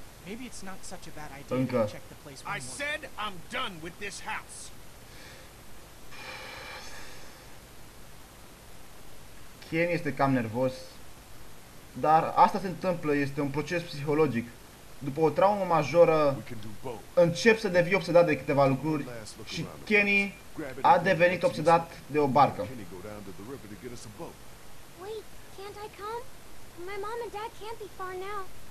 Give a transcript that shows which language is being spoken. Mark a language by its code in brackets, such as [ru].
[en] Maybe it's not such a bad idea to check the place one I more. Said I'm done with this house. [ro] Ken este cam nervos, dar asta se întâmplă, este un proces psihologic. După o traumă majoră, încep să devii obsedat de câteva lucruri și Kenny a devenit obsedat de o barcă. [en] Wait, can't I come? My mom and dad can't be far now.